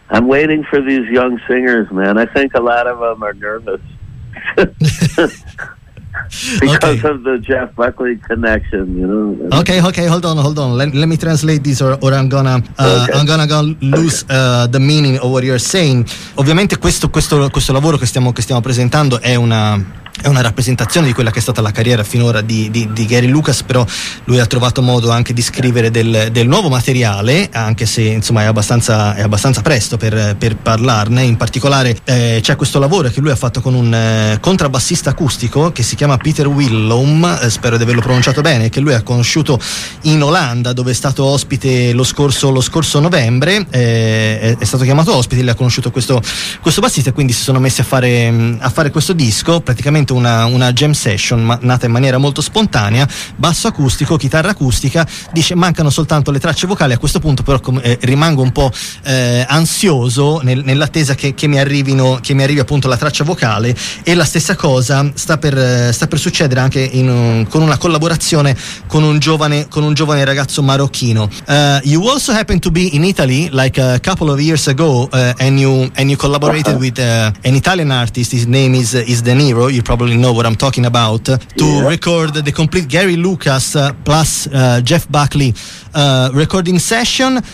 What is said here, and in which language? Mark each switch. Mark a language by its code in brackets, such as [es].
[en] I'm waiting for these young singers, man. I think a lot of them are nervous because okay. of the Jeff Buckley connection, you know. Okay, hold on. Let me translate this, or I'm gonna lose the meaning of what you're saying. [it] Ovviamente questo lavoro che stiamo presentando è una rappresentazione di quella che è stata la carriera finora di Gary Lucas, però lui ha trovato modo anche di scrivere del nuovo materiale, anche se insomma è abbastanza presto per parlarne. In particolare c'è questo lavoro che lui ha fatto con un contrabbassista acustico che si chiama Peter Willems, spero di averlo pronunciato bene, che lui ha conosciuto in Olanda, dove è stato ospite lo scorso novembre. È stato chiamato ospite, lui ha conosciuto questo bassista, e quindi si sono messi a fare questo disco, praticamente una jam session nata in maniera molto spontanea, basso acustico, chitarra acustica. Dice: mancano soltanto le tracce vocali a questo punto, però rimango un po' ansioso nell'attesa che mi arrivi appunto la traccia vocale. E la stessa cosa sta per succedere anche con una collaborazione con un giovane ragazzo marocchino. [en] You also happened to be in Italy like a couple of years ago and you collaborated with an Italian artist, his name is De Niro. You probably know what I'm talking about, record the complete Gary Lucas plus Jeff Buckley recording session.